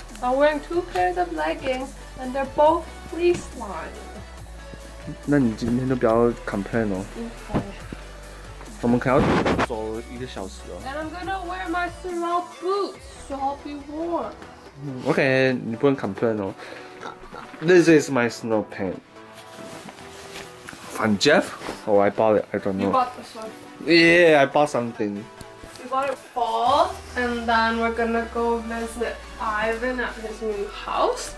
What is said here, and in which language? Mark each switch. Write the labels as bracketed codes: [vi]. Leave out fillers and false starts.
[en] I'm wearing two pairs of leggings, and they're both fleece lined. [zh] 那你今天就不要 complain 哦。 [en] Okay. [zh] 我们可要走一个小时哦。 [en] And I'm gonna wear my snow boots, so I'll be warm. Okay, [zh] 你不能 complain 哦。 [en] This is my snow pants. And Jeff? Oh, I bought it. I don't know. You bought this one. Yeah, I bought something. We bought it fall, and then we're gonna go visit Ivan at his new house.